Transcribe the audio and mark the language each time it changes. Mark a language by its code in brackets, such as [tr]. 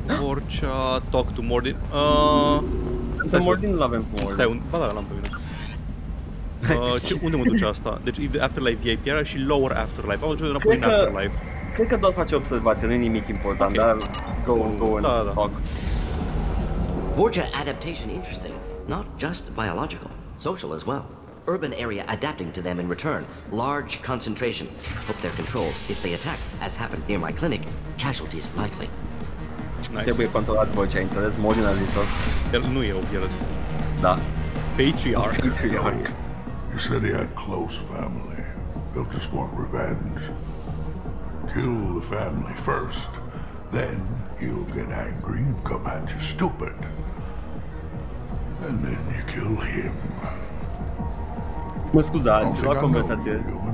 [en] Vorcha talk to Mordin. [ro] Stai Mordin nu l-avem Mordin. Stai, ba da, l-am pe mine. Ce, unde mă duce asta? Deci the Afterlife VIP era și Lower Afterlife. Am ajuns înapoi în Afterlife. Cred că doar face observație, nu e nimic important, okay. Dar [en] go and talk. Vorcha adaptation interesting. Not just biological, social as well. urban area adapting to them in return. Large concentration. Hope they're controlled. If they attack, as happened near my clinic, casualties likely. Nice. [ro] Trebuie controlat vocea, înțeles? Morin a zis-o. El nu e ochi, el a zis. Da. [en] Patriarch. Patriarch. You said he had close family. They'll just want revenge. Kill the family first. Then he'll get angry and come at you stupid. And then you kill him. [ro] Mă scuzați, la conversație.